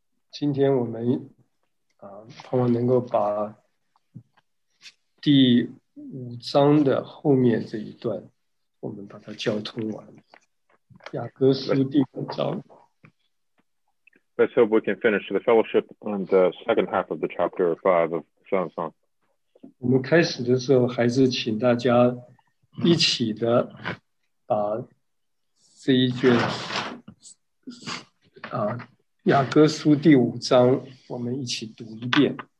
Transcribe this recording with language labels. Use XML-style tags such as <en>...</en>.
<zh>今天我们盼望能够把第五章的后面这一段，我们把它交通完。雅各书第五章。</zh> <en>Let's hope we can finish the fellowship on the second half of the chapter 5 of Psalms.</en> <zh>我们开始的时候，还是请大家一起的把这一卷。雅各书第五章，我们一起读一遍。</zh>